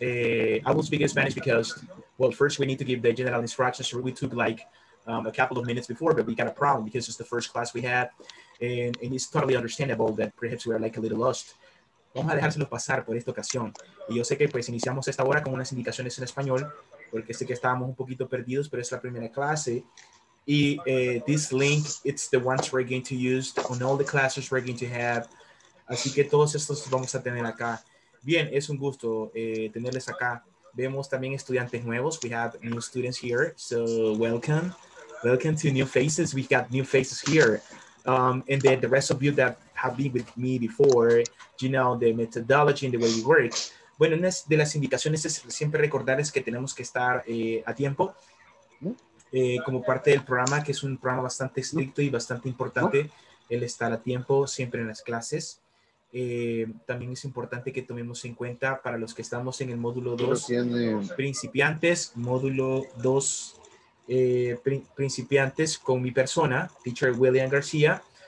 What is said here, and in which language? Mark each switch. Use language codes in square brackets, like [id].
[en] I will speak in Spanish because, well, first we need to give the general instructions. We took like a couple of minutes before, but we got a problem because it's the first class we had. And it's totally understandable that perhaps we are like a little lost. [es] Vamos a dejárselos pasar por esta ocasión. Y yo sé que pues iniciamos esta hora con unas indicaciones en español, porque sé que estábamos un poquito perdidos, pero es la primera clase. Y [en] this link, it's the ones we're going to use on all the classes we're going to have. [es] Así que todos estos vamos a tener acá. Bien, es un gusto tenerles acá. Vemos también estudiantes nuevos. [en] We have new students here. So welcome. Welcome to new faces. We got new faces here. And then the rest of you that have been with me before, you know the methodology and the way we work. [es] Bueno, una de las indicaciones es siempre recordarles que tenemos que estar a tiempo. Como parte del programa, que es un programa bastante estricto y bastante importante, el estar a tiempo siempre en las clases. También es importante que tomemos en cuenta para los que estamos en el módulo 2, principiantes, módulo 2, principiantes con mi persona, teacher William García.